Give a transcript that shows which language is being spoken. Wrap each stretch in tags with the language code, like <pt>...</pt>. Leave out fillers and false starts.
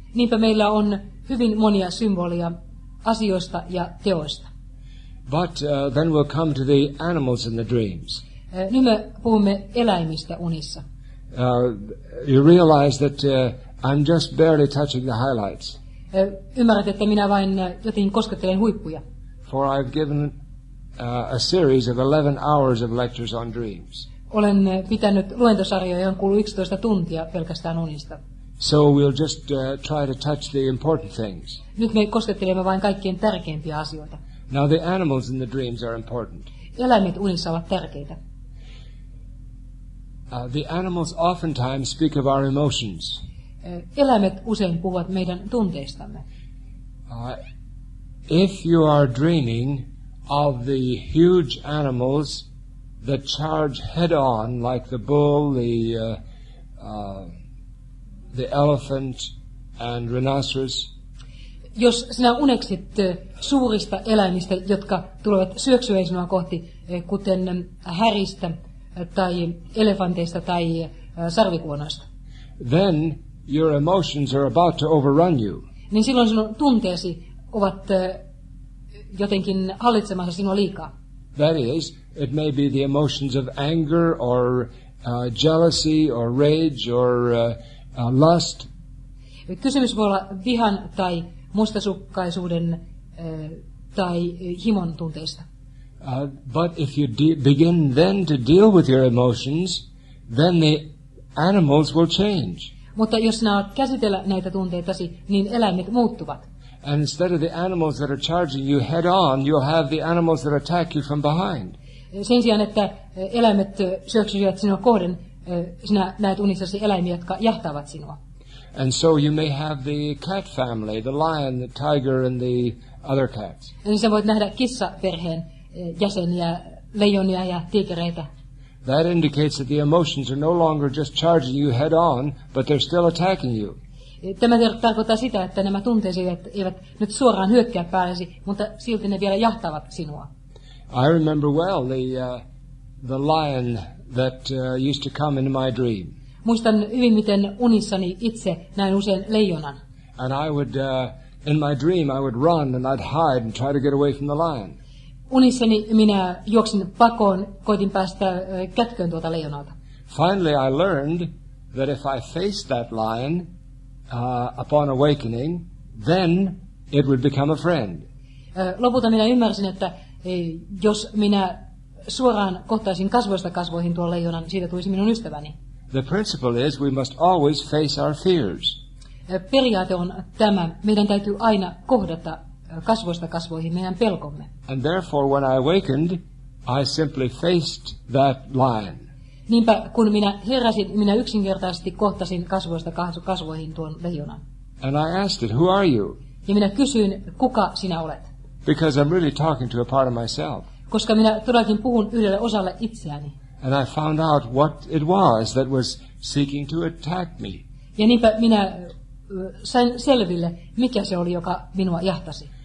<fi>Niinpä meillä on hyvin monia symboleja asioista ja teoista.</fi> <en>But then we'll come to the animals in the dreams.</en> <fi>Nyt me puhumme eläimistä unissa.</fi> <en>You realize that I'm just barely touching the highlights.</en> <fi>Ymmärrät, että minä vain jotenkin koskettelen huippuja.</fi> <en>For I've given a series of 11 hours of lectures on dreams.</en> <fi>Olen pitänyt luentosarjoja, johon kuuluu 11 tuntia pelkästään unista.</fi> <en>So we'll just try to touch the important things.</en> <fi>Nyt me koskettelemme vain kaikkein tärkeimpiä asioita.</fi> <en>Now the animals in the dreams are important.</en> <fi>Eläimet unissa ovat tärkeitä.</fi> <en>The animals oftentimes speak of our emotions.</en> <fi>Eläimet usein puhuvat meidän tunteistamme.</fi> <en>If you are dreaming of the huge animals that charge head on, like the bull, the elephant and rhinoceros.</en> <fi>Jos sinä uneksit suurista eläimistä, jotka tulevat syöksyäisinua kohti, kuten häristä tai elefanteista tai sarvikuonoista.</fi> <en>Then your emotions are about to overrun you.</en> <fi>Niin silloin sinun tunteesi ovat jotenkin hallitsemassa sinua liikaa.</fi> <en>That is, it may be the emotions of anger or jealousy or rage or lust.</en> <fi>Kysymys voi olla vihan tai mustasukkaisuuden tai himon tunteista.</fi> <en>But if you begin then to deal with your emotions, then the animals will change.</en> <fi>Mutta jos sinä alat käsitellä näitä tunteitasi, niin eläimet muuttuvat.</fi> <en>And instead of the animals that are charging you head on, you'll have the animals that attack you from behind.</en> <fi>Sen sijaan, että eläimet syöksyvät sinua kohden, sinä näet unissasi eläimiä, jotka jahtaavat sinua.</fi> <en>And so you may have the cat family, the lion, the tiger and the other cats.</en> <fi>Eli sä voit nähdä kissaperheen jäseniä, leijonia ja tiikereitä.</fi> <en>That indicates that the emotions are no longer just charging you head on, but they're still attacking you.</en> <fi>Tämä tarkoittaa sitä, että nämä tunteesi eivät nyt suoraan hyökkää päällesi, mutta silti ne vielä jahtavat sinua.</fi> <en>I remember well the lion that used to come into my dream.</en> <fi>Muistan hyvin, miten unissani itse näin usein leijonan.</fi> <en>And I would in my dream I would run and I'd hide and try to get away from the lion.</en> <fi>Unissani minä juoksin pakoon, koitin päästä kätköön tuota leijonalta.</fi> <en>Finally I learned that if I faced that lion upon awakening, then it would become a friend.</en> <fi>Lopulta minä ymmärsin, että jos minä suoraan kohtaisin kasvoista kasvoihin tuon leijonan, siitä tulisi minun ystäväni.</fi> <en>The principle is we must always face our fears.</en> <fi>Periaate on tämä. Meidän täytyy aina kohdata kasvoista kasvoihin meidän pelkomme.</fi> <en>And therefore when I awakened, I simply faced that lion.</en> <fi>Niinpä kun minä heräsin, minä yksinkertaisesti kohtasin kasvoista kasvoihin tuon leijonan.</fi> <en>And I asked it, who are you?</en> <fi>Ja minä kysyin, kuka sinä olet?</fi> <en>Because I'm really talking to a part of myself.</en> <fi>Koska minä todellakin puhun yhdelle osalle itseäni.</fi> <en>And I found out what it was that was seeking to attack me.</en> <fi>Ja niinpä minä sain selville, mikä se oli, joka minua jahtasi.</fi>